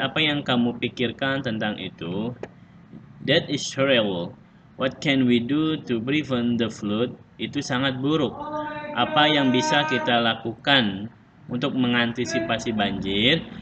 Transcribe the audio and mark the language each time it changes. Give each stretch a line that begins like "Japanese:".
Indonesian: Apa yang kamu pikirkan tentang itu?
English: That is terrible. What can we do to prevent the flood?
Indonesian: Itu sangat buruk. Apa yang bisa kita lakukan untuk mengantisipasi banjir?